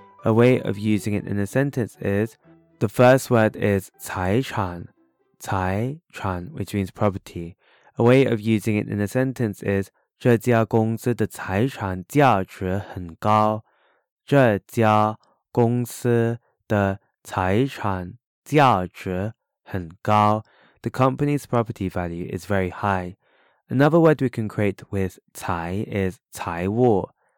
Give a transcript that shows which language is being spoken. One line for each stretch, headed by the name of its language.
English: A way of using it in a sentence is, the first word is 財產, which means property. A way of using it in a sentence is,
Chinese: 這家公司的財產價值很高。這家公司的財產價值很高。
English: The company's property value is very high. Another word we can create with 財 is 財物.